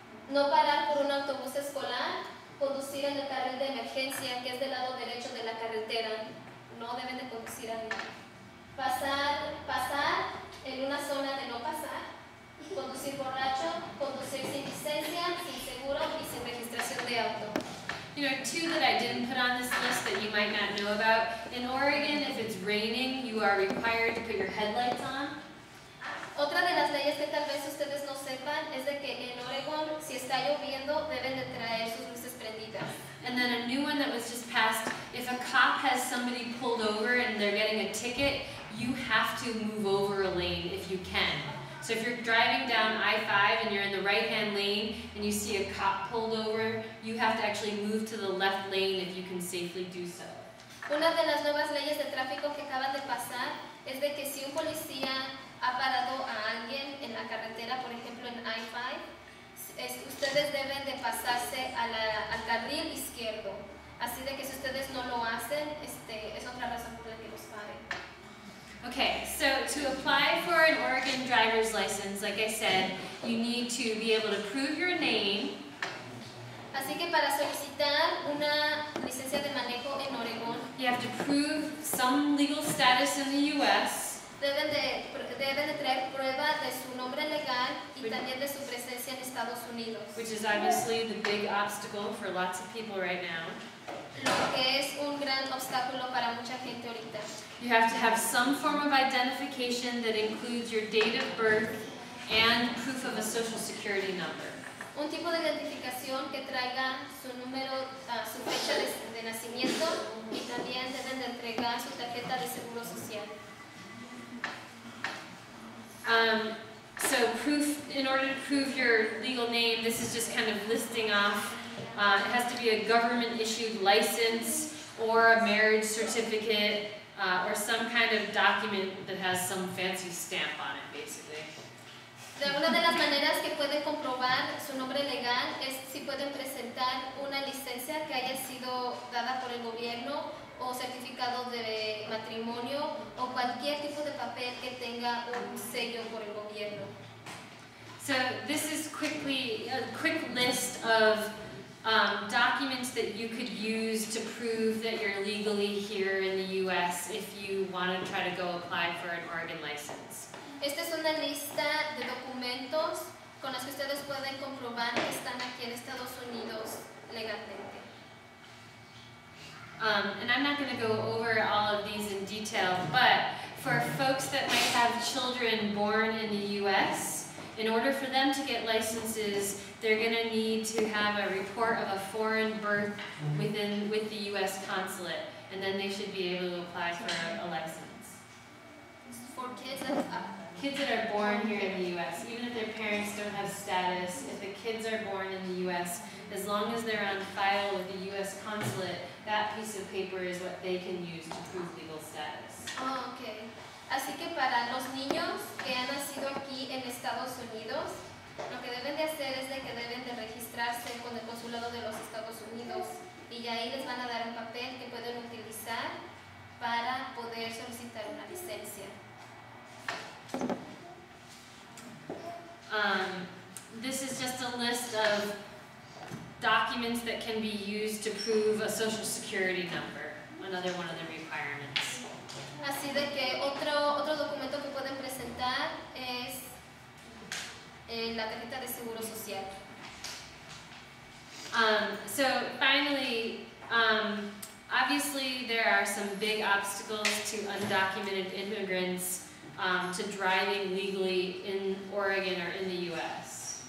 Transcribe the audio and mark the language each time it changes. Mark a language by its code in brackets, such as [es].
[es] No parar por un autobús escolar, conducir en el carril de emergencia, que es del lado derecho de la carretera, no deben de conducir ahí. Pasar en una zona de no pasar, conducir borracho, conducir sin licencia, sin seguro y sin registración de auto. [en] You know, two that I didn't put on this list that you might not know about. In Oregon, if it's raining, you are required to put your headlights on. [es] Otra de las leyes que tal vez ustedes no sepan es de que en Oregon, si está lloviendo, deben de traer sus luces prendidas. [en] And then a new one that was just passed, if a cop has somebody pulled over and they're getting a ticket, you have to move over a lane if you can. So if you're driving down I-5 and you're in the right-hand lane and you see a cop pulled over, you have to actually move to the left lane if you can safely do so. [es] Una de las nuevas leyes de tráfico que acaban de pasar es de que si un policía ha parado a alguien en la carretera, por ejemplo en I-5, ustedes deben de pasarse al carril izquierdo. Así de que si ustedes no lo hacen, es otra razón por la que los paren. [en] Okay, so to apply for an Oregon driver's license, like I said, you need to be able to prove your name. [es] Así que para solicitar una licencia de manejo en Oregon, [en] you have to prove some legal status in the U.S. [es] deben de traer prueba de su nombre legal y también de su presencia en Estados Unidos. [en] Which is obviously the big obstacle for lots of people right now. [es] Lo que es un gran obstáculo para mucha gente ahorita. [en] You have to have some form of identification that includes your date of birth and proof of a social security number. [es] Un tipo de identificación que traiga su número, su fecha de nacimiento, y también deben de entregar su tarjeta de seguro social. [en] So proof, in order to prove your legal name, this is just kind of listing off. It has to be a government-issued license or a marriage certificate or some kind of document that has some fancy stamp on it, basically. [es] De una de las maneras que pueden comprobar su nombre legal es si pueden presentar una licencia que haya sido dada por el gobierno o certificado de matrimonio o cualquier tipo de papel que tenga un sello por el gobierno. [en] So this is quickly a quick list of documents that you could use to prove that you're legally here in the U.S. if you want to try to go apply for an Oregon license. [es] Esta es una lista de documentos con los que ustedes pueden comprobar que están aquí en Estados Unidos legalmente. [en] And I'm not going to go over all of these in detail, but for folks that might have children born in the U.S., in order for them to get licenses, they're going to need to have a report of a foreign birth with the U.S. consulate, and then they should be able to apply for a license. For kids, that's kids that are born here in the U.S., even if their parents don't have status, if the kids are born in the U.S., as long as they're on file with the U.S. consulate, that piece of paper is what they can use to prove legal status. Oh, okay. [es] Así que para los niños que han nacido aquí en Estados Unidos, lo que deben de hacer es de que deben de registrarse con el consulado de los Estados Unidos y ahí les van a dar un papel que pueden utilizar para poder solicitar una licencia. [en] This is just a list of documents that can be used to prove a social security number, another one of the requirements. [es] Así de que otro documento que pueden presentar es la tarjeta de seguro social. [en] So finally, obviously there are some big obstacles to undocumented immigrants to driving legally in Oregon or in the U.S.